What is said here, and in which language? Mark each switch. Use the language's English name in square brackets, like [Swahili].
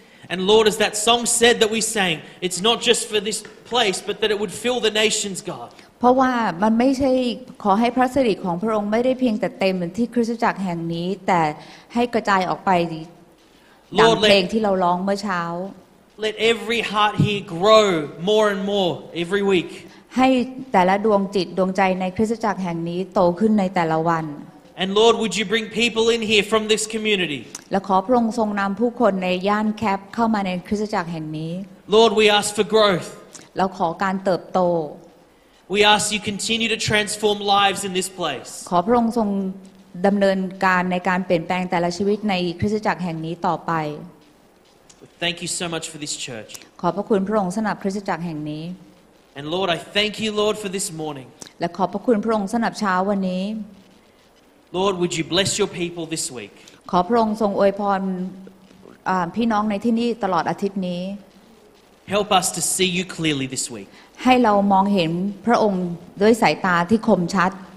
[English] And Lord as that song said that we sang it's not just for this place but that it would fill the nations God [Thai] เพราะว่ามันไม่ใช่ขอให้พระสิริของพระองค์ไม่ได้เพียงแต่เต็มที่คริสตจักรแห่งนี้แต่ให้กระจายออกไปดังเพลงที่เราร้องเมื่อเช้า [English] Let every heart here grow more and more every week. [Thai] ให้แต่ละดวงจิตดวงใจในคริสตจักรแห่งนี้โตขึ้นในแต่ละวัน [English] And Lord, would you bring people in here from this community? [Thai] และขอพระองค์ทรงนำผู้คนในย่านแคบเข้ามาในคริสตจักรแห่งนี้ [English] Lord, we ask for growth. [Thai] เราขอการเติบโต [English] We ask you continue to transform lives in this place. [Thai] ขอพระองค์ทรงดำเนินการในการเปลี่ยนแปลงแต่ละชีวิตในคริสตจักรแห่งนี้ต่อไป [English] Thank you so much for this church. [Thai] ขอบพระคุณพระองค์สำหรับคริสตจักรแห่งนี้ [English] And Lord, I thank you, Lord, for this morning. [Thai] และขอบพระคุณพระองค์สำหรับเช้าวันนี้ [English] Lord, would you bless your people this week? [Thai] ขอพระองค์ทรงอวยพรพี่น้องในที่นี่ตลอดอาทิตย์นี้ [English] Help us to see you clearly this week. [Thai] ให้เรามองเห็นพระองค์ด้วยสายตาที่คมชัด